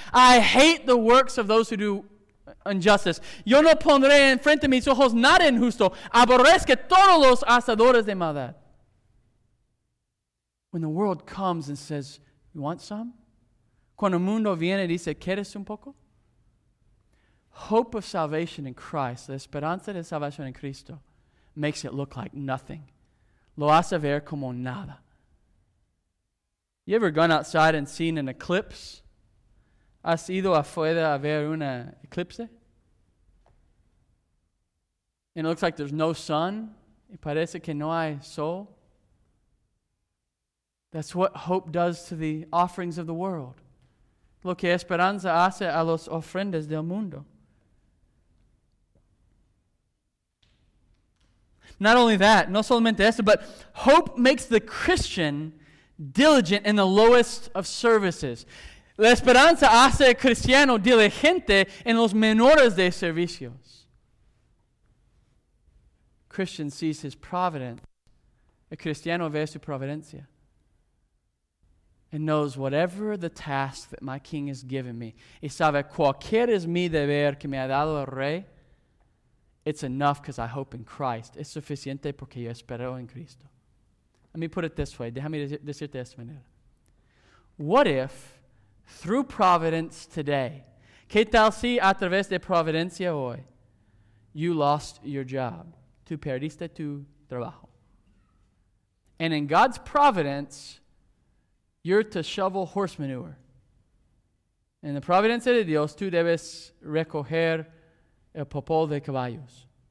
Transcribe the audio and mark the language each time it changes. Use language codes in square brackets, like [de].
[en] I hate the works of those who do injustice. [es] Yo no pondré en frente mis ojos nada injusto. Aborrezco todos los hacedores de maldad. [en] When the world comes and says, you want some? [es] Cuando el mundo viene y dice, ¿quieres un poco? [en] Hope of salvation in Christ, la esperanza de salvación en Cristo, makes it look like nothing. [es] Lo hace ver como nada. [en] You ever gone outside and seen an eclipse? [es] ¿Has ido afuera a ver una eclipse? And it looks like there's no sun. Y parece que no hay sol. [en] That's what hope does to the offerings of the world. [es] Lo que esperanza hace a los ofrendas del mundo. [en] Not only that, no solamente eso, but hope makes the Christian diligent in the lowest of services. [es] La esperanza hace al cristiano diligente en los menores de servicios. Christian sees his providence. El cristiano ve su providencia. [en] And knows whatever the task that my king has given me. Y sabe cualquier es mi deber que me ha dado el rey. It's enough because I hope in Christ. Es suficiente porque yo espero en Cristo. Let me put it this way. [es] Déjame decirte de esta manera. What if, through providence today, ¿qué tal si a través de providencia hoy, you lost your job? Tú perdiste tu trabajo. [en] And in God's providence, you're to shovel horse manure. [es] En la providencia de Dios, tú debes recoger el popó de caballos.